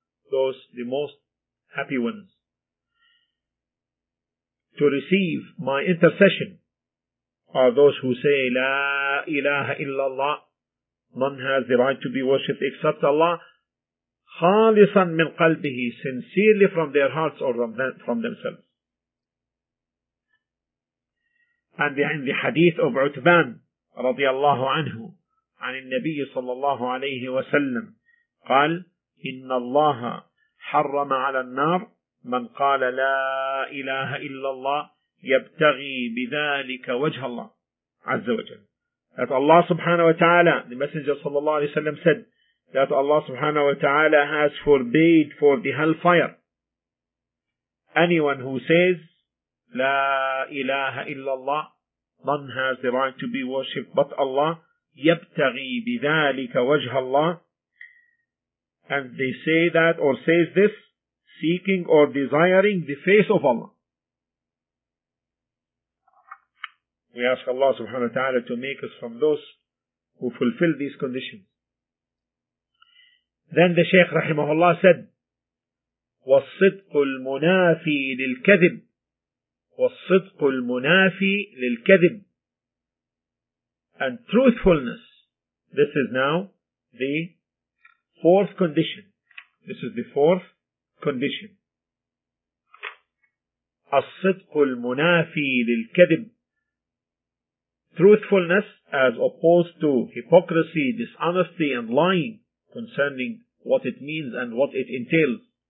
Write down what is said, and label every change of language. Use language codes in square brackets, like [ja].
[en] Those the most happy ones to receive my intercession are those who say [ar] لا إله إلا الله, [en] none has the right to be worshipped except Allah, [ar] خالصاً من قلبه, [en] sincerely from their hearts or from themselves. And in the hadith of Utban [ar] رضي الله عنه عن النبي صلى الله عليه وسلم قال إن الله حرم على النار من قال لا إله إلا الله يبتغي بذلك وجه الله عز وجل. [en] That Allah [ar] سبحانه وتعالى, [en] the Messenger [ar] صلى الله عليه وسلم [en] said that Allah subhanahu wa ta'ala has forbade for the hellfire anyone who says La ilaha illallah, none has the right to be worshipped but Allah, [ar] يبتغي بذلك وجه الله, [en] and they say that or says this seeking or desiring the face of Allah. We ask Allah subhanahu wa ta'ala to make us from those who fulfill these conditions. Then the Shaykh rahimahullah said, [ar] وَالصِّدْقُ الْمُنَافِي لِلْكَذِبِ وَالصِّدْقُ الْمُنَافِي لِلْكَذِبِ. [en] And truthfulness, this is now the fourth condition. This is the fourth condition. [ar] الصِّدْقُ الْمُنَافِي لِلْكَذِبِ. [en] Truthfulness as opposed to hypocrisy, dishonesty and lying concerning what it means and what it entails.